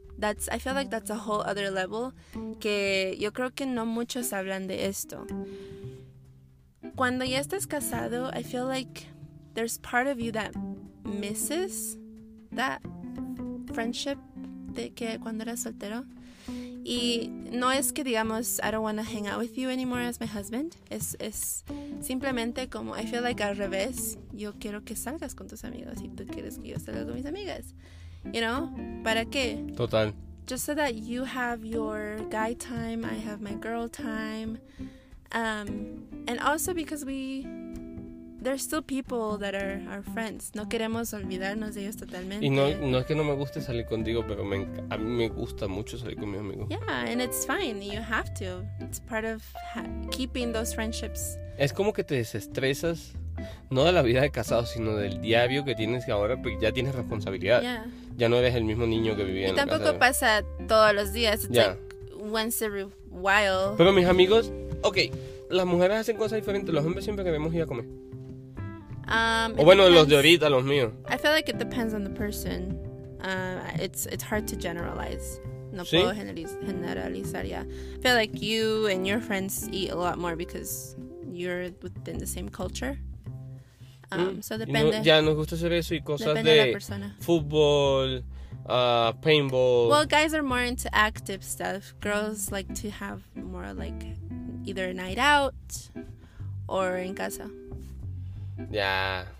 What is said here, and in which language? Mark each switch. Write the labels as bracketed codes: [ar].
[en] That's, I feel like that's a whole other level. [es] Que yo creo que no muchos hablan de esto. [en] Cuando ya estás casado, I feel like there's part of you that misses that friendship de que cuando eras soltero. Y no es que digamos, I don't want to hang out with you anymore as my husband. [es] Es simplemente como, I feel like al revés, yo quiero que salgas con tus amigos y tú quieres que yo salga con mis amigas. [en] You know, ¿para qué? [es] Total. [en] Just so that you have your guy time, I have my girl time. And also because we, there's still people that are our friends. [es] No queremos olvidarnos de ellos totalmente. Y no es que no me guste salir contigo, pero a mí me gusta mucho salir con mis amigos. [en] Yeah, and it's fine. You have to. It's part of keeping those friendships. [es] Es como que te desestresas. No de la vida de casado, sino del diario que tienes ahora, porque ya tienes responsabilidad. [en] Yeah. [es] Ya no eres el mismo niño que vivía y en la casa. Y tampoco pasa todos los días. It's like once every while. Pero mis amigos, ok, las mujeres hacen cosas diferentes. Los hombres siempre queremos ir a comer. O bueno, [en] depends. [es] Los de ahorita, los míos. [en] I feel like it depends on the person. It's hard to generalize. No, [es] ¿sí? Puedo generalizar, yeah. [en] I feel like you and your friends eat a lot more because you're within the same culture. [es] So depende. No, ya nos gusta hacer eso y cosas depende de fútbol, paintball. [en] Well, guys are more into active stuff. Girls like to have more like either a night out or en casa. [es] Ya.